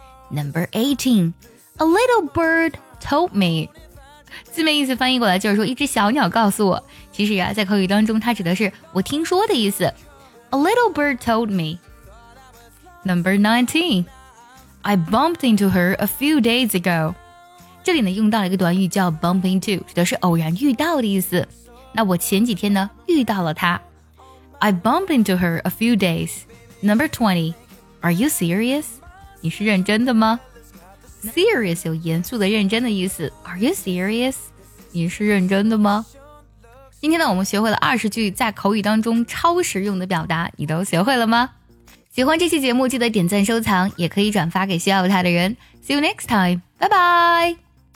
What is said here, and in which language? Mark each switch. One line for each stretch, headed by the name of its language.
English: Number 18. A little bird told me.
Chinese: 字面意思翻译过来就是说一只小鸟告诉我。其实啊在口语当中它指的是我听说的意思。
English: A little bird told me. Number 19. I bumped into her a few days ago.
Chinese: 这里呢用到了一个短语叫 bump into, 指的是偶然遇到的意思。那我前几天呢遇到了她。
English: I bumped into her a few days. Number 20. Are you serious?
Chinese: 你是认真的吗？ Serious 有严肃的认真的意思。
English: Are you serious?
Chinese: 你是认真的吗？今天呢我们学会了二十句在口语当中超实用的表达，你都学会了吗？喜欢这期节目，记得点赞收藏，也可以转发给需要它的人。
English: See you next time. Bye bye.